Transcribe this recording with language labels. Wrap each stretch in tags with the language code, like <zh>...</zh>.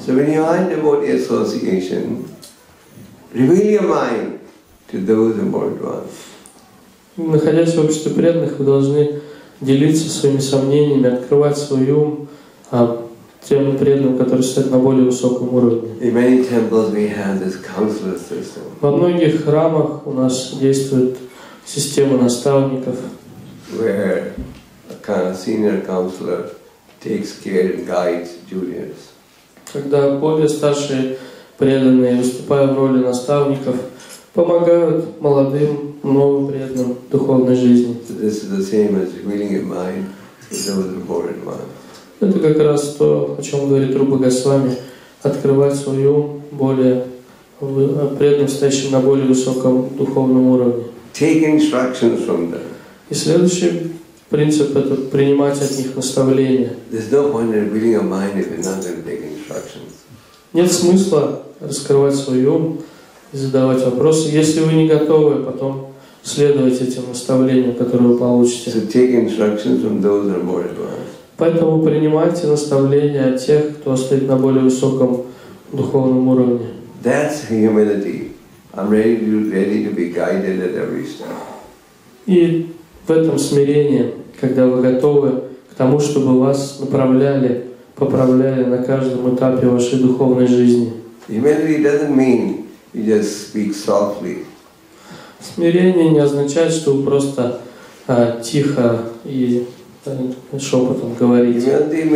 <ru>Находясь в обществе преданных, вы должны делиться своими сомнениями, открывать свой ум тем преданным, которые стоят на более высоком уровне.</ru> <en>In many temples we have this counselor system.</en> <ru>Во многих храмах у нас действует система наставников,</ru> <en>where a kind of senior counselor takes care and guides juniors.</en> <ru>Когда более старшие преданные, выступая в роли наставников, помогают молодым, новым преданным в духовной жизни.</ru> <en>So this is the same as reading your mind with those important ones.</en> <ru>Это как раз то, о чем говорит Рупа Госвами, открывать свой ум более преданным, стоящим на более высоком духовном уровне.</ru> <en>Take instructions from them.</en> <ru>И следующий принцип – это принимать от них наставления.</ru> <en>There's no point in reading your mind if you're not going to take instructions.</en> <ru>Нет смысла раскрывать свой ум и задавать вопросы, если вы не готовы потом следовать этим наставлениям, которые вы получите.</ru> <en>So take instructions from those who are more advanced.</en> <ru>Поэтому принимайте наставления от тех, кто стоит на более высоком духовном уровне.</ru> <en>That's humility. I'm ready to be guided at every step.</en> <ru>И в этом смирении, когда вы готовы к тому, чтобы вас направляли, поправляли на каждом этапе вашей духовной жизни.</ru> <en>Humility doesn't mean you just speak softly.</en> <ru>Смирение не означает, что вы просто тихо и шепотом говорите.</ru>